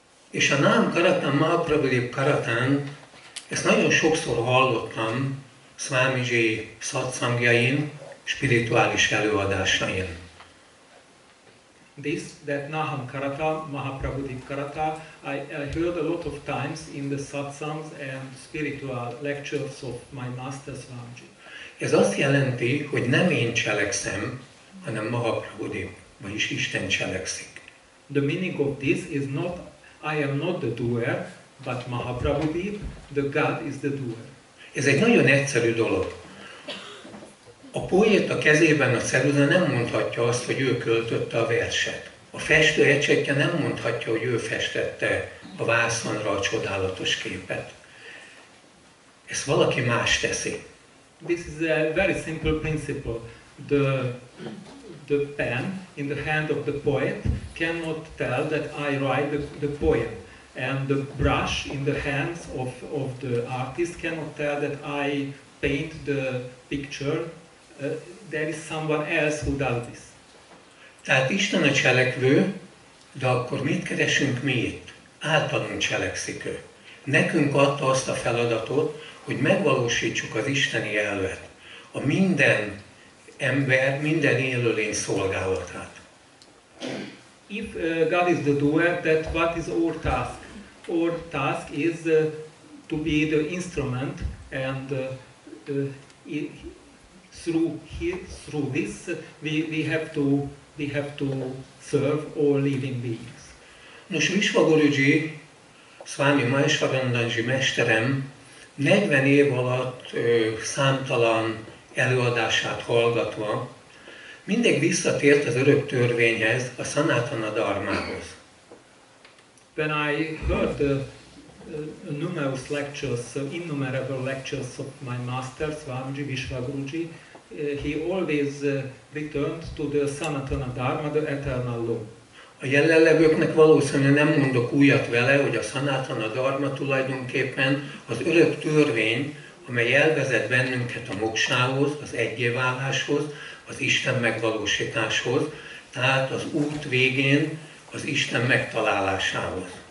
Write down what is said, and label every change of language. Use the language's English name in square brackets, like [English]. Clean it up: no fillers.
[Hungarian] És a nám karatán, ma prabhudev karatán, ezt nagyon sokszor hallottam Swamiji szatszangjain, spirituális előadásain. [English] This, that [Sanskrit] Naham Karata, Mahaprabhudev Karata, [English] I heard a lot of times in the satsangs and spiritual lectures of my master Swamiji. [Hungarian] Ez azt jelenti, hogy nem én cselekszem, hanem Mahaprabhudev, vagyis Isten cselekszik. [English] The meaning of this is not I am not the doer, but Mahaprabhu did, the God is the doer. [Hungarian] Ez egy nagyon egyszerű dolog. A poéta kezében a ceruza nem mondhatja azt, hogy ő költötte a verset. A festő ecsetje nem mondhatja, hogy ő festette a vászonra a csodálatos képet. Ezt valaki más teszi. [English] This is a very simple principle. The pen in the hand of the poet cannot tell that I write the poem. And the brush in the hands of the artist cannot tell that I paint the picture. There is someone else who does this. [Hungarian] Tehát Isten a cselekvő, de akkor mit keresünk mi itt? Általunk cselekszik ő. Nekünk adta azt a feladatot, hogy megvalósítsuk az isteni elvet, a minden ember, minden élőlény szolgálatát. [English] If God is the doer, that what is our task? Our task is to be the instrument and through this we have to serve all living beings. [Hungarian] Nos, Visvagurudzsi, Swami Maheshwarananda-ji mesterem 40 év alatt számtalan előadását hallgatva mindig visszatért az örök törvényhez, a Sanatana Dharmához. [English] When I heard numerous lectures, innumerable lectures of my master Swamiji Visvagurudzsi, he always returned to the Sanatana Dharma, the eternal law. [Hungarian] A jelenlevőknek valószínűleg nem mondok újat vele, hogy a Sanatana Dharma tulajdonképpen az örök törvény, amely elvezet bennünket a moksához, az egyéváláshoz, az Isten megvalósításhoz, tehát az út végén az Isten megtalálásához.